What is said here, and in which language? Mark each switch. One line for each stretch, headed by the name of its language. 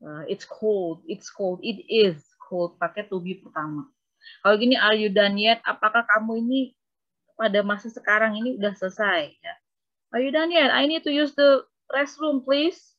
English: It's cold, it is cold,
Indonesian: pakai to be pertama. Kalau gini,
English: are you done yet?
Indonesian: Apakah kamu ini pada masa sekarang ini udah selesai? Ya.
English: Are you done yet? I need to use the restroom, please.